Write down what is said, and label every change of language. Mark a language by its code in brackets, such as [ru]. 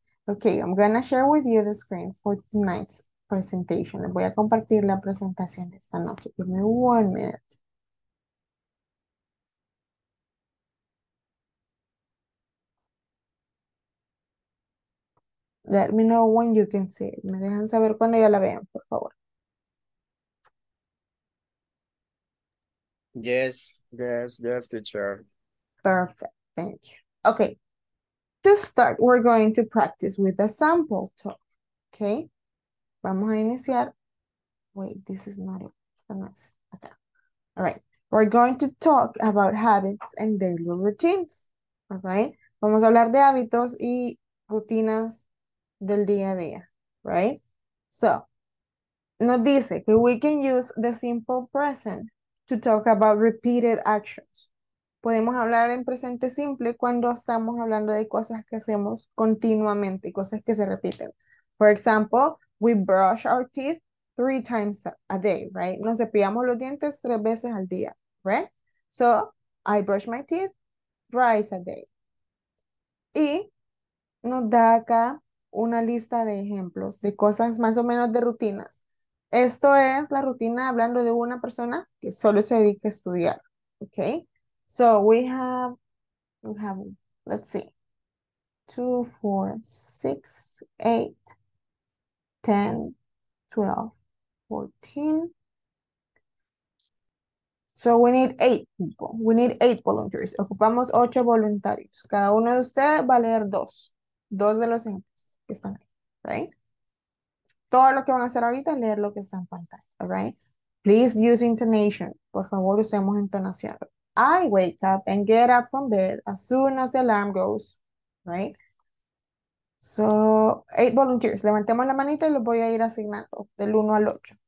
[en] Okay, I'm gonna share with you the screen for tonight's presentation. [es] Voy a compartir la presentación esta noche. [en] Give me 1 minute. Let me know when you can see it. [es] Me dejan saber cuando ya la vean, por favor. [en] Yes, yes, yes, teacher. Perfect, thank you. Okay. To start, we're going to practice with a sample talk, okay? [es] Vamos a iniciar. [en] Wait, this is not it. Okay. All right. We're going to talk about habits and daily routines, all right? [es] Vamos a hablar de hábitos y rutinas del día a día, right? [en] So, [es] nos dice que [en] we can use the simple present to talk about repeated actions. [es] Podemos hablar en presente simple cuando estamos hablando de cosas que hacemos continuamente, cosas que se repiten. [en] For example, we brush our teeth 3 times a day, right? [es] Nos cepillamos los dientes 3 veces al día, [en] right? So, I brush my teeth 3 times a day. [es] Y nos da acá una lista de ejemplos de cosas más o menos de rutinas. Esto es la rutina hablando de una persona que solo se dedica a estudiar, okay? [en] So we have, let's see, 2, 4, 6, 8, 10, 12, 14. So we need 8 people. We need 8 volunteers. [es] Ocupamos 8 voluntarios. Cada uno de ustedes va a leer 2 de los ejemplos que están ahí, right? Todo lo que van a hacer ahorita es leer lo que está en pantalla, all right? [en] Please use intonation. [es] Por favor, usemos entonación. [en] I wake up and get up from bed as soon as the alarm goes, right? So, 8 volunteers. [es] Levantemos la manita y los voy a ir asignando del 1 al 8.